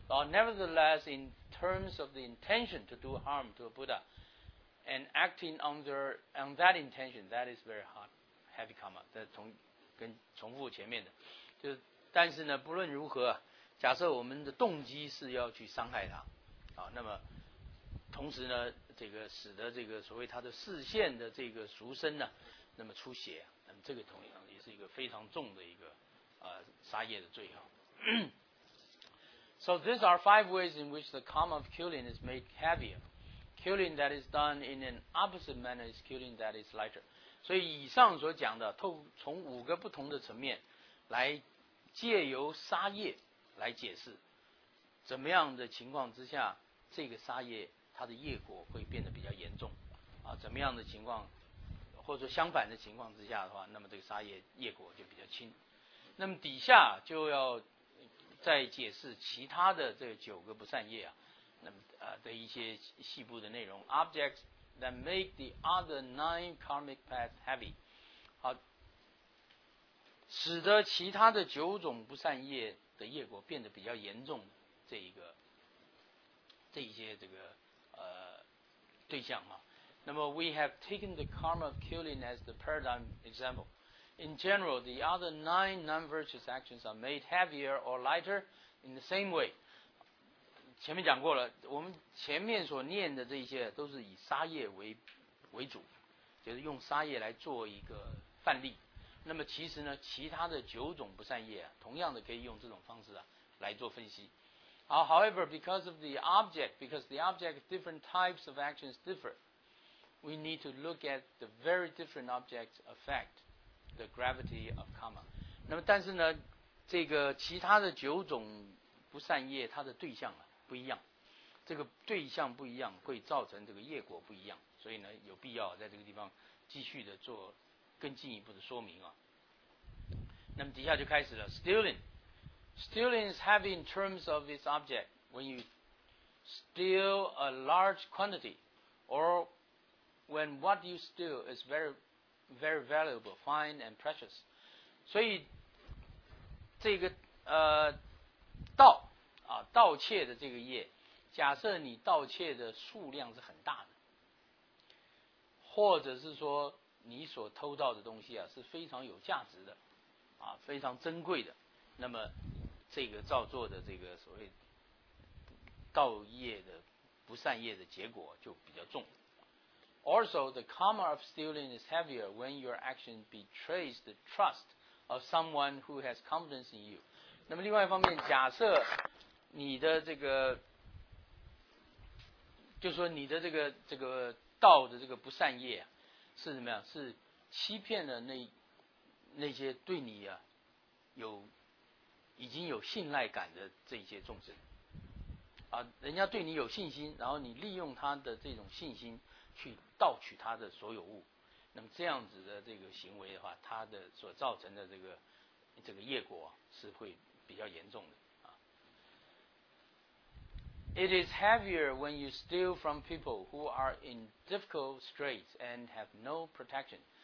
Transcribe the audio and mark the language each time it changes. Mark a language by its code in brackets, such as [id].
[en] Nevertheless, in terms of the intention to do harm to a Buddha, and acting on that intention, that is very hard, heavy karma. [zh] 重复前面的，就但是呢，不论如何，假设我们的动机是要去伤害他，那么同时呢，这个使得这个所谓他的视线的这个俗身呢，那么出血。那么这个同样也是一个非常重的一个杀业的罪啊。 [en] So these are five ways in which the karma of killing is made heavier. Killing that is done in an opposite manner is killing that is lighter. [zh] 所以以上所讲的，从五个不同的层面来借由杀业来解释，怎么样的情况之下，这个杀业它的业果会变得比较严重啊？怎么样的情况？或者说相反的情况之下的话，那么这个杀业果就比较轻。那么底下就要再解释其他的这九个不善业啊，那么的一些细部的内容。 [en] Objects that make the other nine karmic paths heavy， [zh] 好，使得其他的九种不善业的业果变得比较严重，这一些对象啊。 [en] Number, we have taken the karma of killing as the paradigm example. In general, the other nine non-virtuous actions are made heavier or lighter in the same way. [zh] 前面讲过了，我们前面所念的这些都是以杀业为主，就是用杀业来做一个范例。那么其实呢，其他的九种不善业、啊、同样的可以用这种方式、啊、来做分析。 [en] However, because of the object, because the object, different types of actions differ, we need to look at the very different object's effect, the gravity of karma. [zh] 那么但是呢，这个其他的九种不善业，它的对象、啊、不一样，这个对象不一样，会造成这个业果不一样。所以呢，有必要在这个地方继续的做更进一步的说明啊。那么底下就开始了 [en] stealing。Stealing is heavy in terms of its object. When you steal a large quantity, or when what you steal is very, very valuable, fine and precious. [zh] 所以这个盗啊，盗窃的这个业，假设你盗窃的数量是很大的，或者是说你所偷盗的东西啊是非常有价值的啊，非常珍贵的，那么这个造作的这个所谓盗业的不善业的结果就比较重。 [en] Also, the karma of stealing is heavier when your action betrays the trust of someone who has confidence in you. [zh] 那么另外一方面，假设你的这个，就说你的这个盗的这个不善业、啊、是什么样？是欺骗了那些对你啊有。已经有信赖感的这些众生啊，人家对你有信心，然后你利用他的这种信心去盗取他的所有物，那么这样子的这个行为的话，他的所造成的这个业果是会比较严重的啊。 [en] It is heavier when you steal from people who are in difficult straits and have no protection.